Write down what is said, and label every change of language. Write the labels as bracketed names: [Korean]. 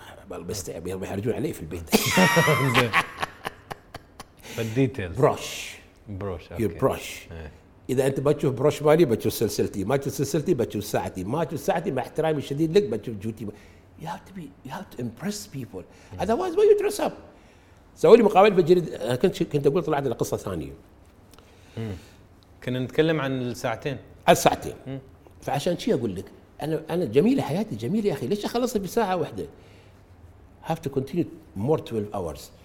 [Arabic] بستعب يلا بيحرجون عليه في البيت. زين. [English] The details. Brush. Brush. Okay. Your brush. [Arabic] إذا أنت بتشوف بروش مالي بتشوف سلسلتي، ما تشوف سلسلتي بتشوف ساعتي، ما تشوف ساعتي مع احترامي الشديد لك بتشوف جوتي. [English] You have to be, you have to impress people. Otherwise, why you dress up? [Arabic] سوي لي مقابلة في الجريدة. كنت أقول طلعت لقصة ثانية. كنا نتكلم عن الساعتين. الساعتين. فعشان شيء أقول لك أنا جميلة حياتي جميلة يا أخي، ليش أخلصها في ساعة واحدة؟ [English] Have to continue more 12 hours.